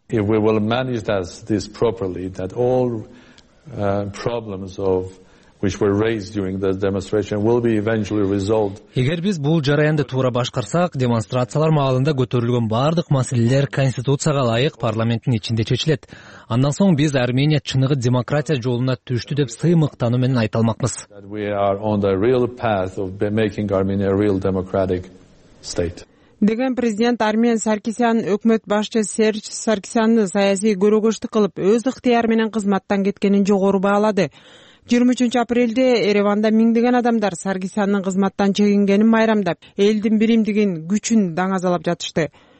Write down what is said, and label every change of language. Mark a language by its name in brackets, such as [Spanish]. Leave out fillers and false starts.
[English] If we will manage this properly, that all problems of which were raised during the demonstration will be eventually resolved. [Kyrgyz] Эгер биз бул жараянды туура башкарсак, демонстрациялар маалында көтөрүлгөн баардык маселелер конституцияга ылайык парламенттин ичинде чечилет. Андан соң биз Армения чыныгы демократия жолуна түштү деп сыймыктануу менен айта алмакбыз. [English] We are on the real path of making Armenia a real democratic state. [Kyrgyz] Деген президент Армен Саркисян өкмөт башчысы Серж Саркисянды саясий көрүгүштү кылып, өз ыктыяры менен кызматтан кеткенин жогору баалады. 23 апрелде Ереванда миңдеген адамдар Саркисяндын кызматтан чегингенин майрамдап, элдин биримдигин, күчүн даңазалап жатышты.